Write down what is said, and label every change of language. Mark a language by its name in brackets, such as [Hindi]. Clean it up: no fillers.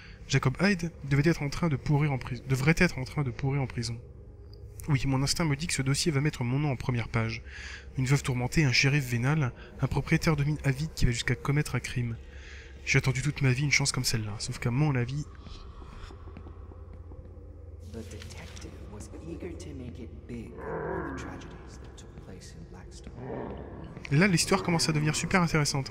[French] Jacob Hyde devait être en train de pourrir en prison. Devrait être en train de pourrir en prison. Oui, mon instinct me dit que ce dossier va mettre mon nom en première page. Une veuve tourmentée, un shérif vénal, un propriétaire de mine avide qui va jusqu'à commettre un crime. J'ai attendu toute ma vie une chance comme celle-là. Sauf qu'à mon avis... [English] The detective was eager to make it big on the tragedies that took place in Blackstone. [French] Là, l'histoire commence à devenir super intéressante.